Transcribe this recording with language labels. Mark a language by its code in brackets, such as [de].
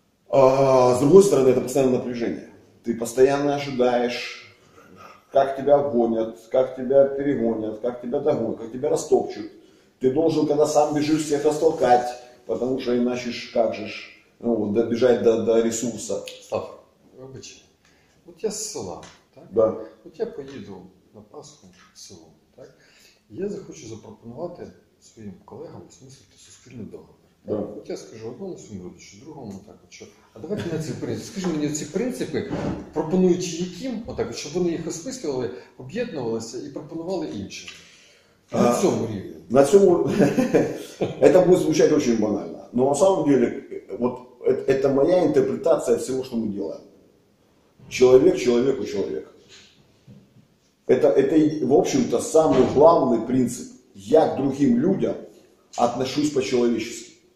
[ru] А с другой стороны, это постоянное напряжение. Ты постоянно ожидаешь, как тебя обгонят, как тебя перегонят, как тебя догонят, как тебя растопчут. Ты должен, когда сам бежишь, всех растолкать, потому что иначе как же ж. Ну, добежать до ресурса. [uk] Став, вибач, от я з села, так? Да. От я поїду на Пасху в село, так? Я захочу запропонувати своїм колегам осмислити суспільний договір. Да. От я скажу одному своєму родичу, другому, так, от що. А давайте на ці принципи. Скажи мені, ці принципи, пропонуючи яким, отак, от, щоб вони їх осмислювали, об'єднувалися і пропонували інше. На цьому рівні. На цьому... [ru] Это будет звучать очень банально. Но на самом деле, вот это моя интерпретация всего, что мы делаем. Человек человеку человек. Это, в общем-то, самый главный принцип. Я к другим людям отношусь по-человечески.